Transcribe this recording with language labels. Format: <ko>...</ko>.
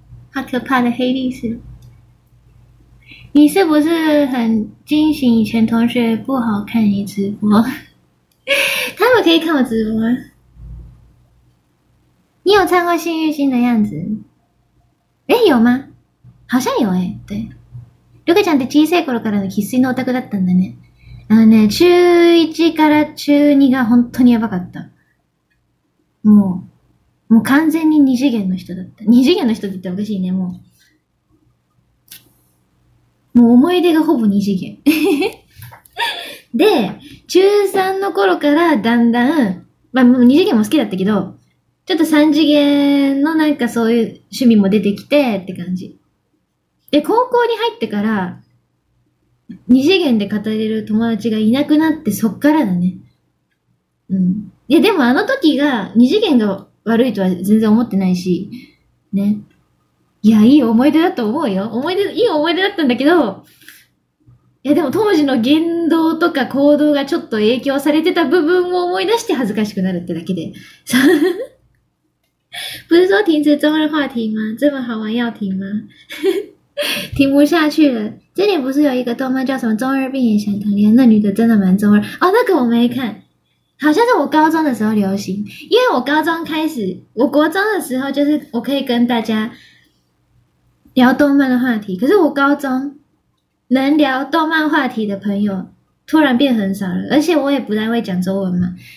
<zh>好可怕的黑历史。你是不是很惊喜以前同学不好看你直播？他们可以看我直播。你有唱过幸运星的样子？诶，有吗？好像有诶，对。</zh> <ja>ルカちゃんって小さい頃からの必須のオタクだったんだね。あのね、中1から中2が本当にやばかった。もう完全に二次元の人だった。二次元の人って言ったらおかしいね、もう。もう思い出がほぼ二次元。で、中3の頃からだんだん、まあもう二次元も好きだったけど、ちょっと三次元のなんかそういう趣味も出てきてって感じ。で、高校に入ってから、二次元で語れる友達がいなくなってそっからだね。うん。いや、でもあの時が、二次元が悪いとは全然思ってないし、ね。いや、いい思い出だと思うよ。いい思い出だったんだけど、いや、でも当時の言動とか行動がちょっと影響されてた部分を思い出して恥ずかしくなるってだけで。</ja> <zh>不是说停止中二话题吗？这么好玩要停吗？停不下去了。这里不是有一个动漫叫什么《中二病也想谈恋爱》？那女的真的蛮中二哦。那个我没看，好像是我高中的时候流行。因为我高中开始，我国中的时候就是我可以跟大家聊动漫的话题，可是我高中能聊动漫话题的朋友突然变很少了，而且我也不太会讲中文嘛。</zh>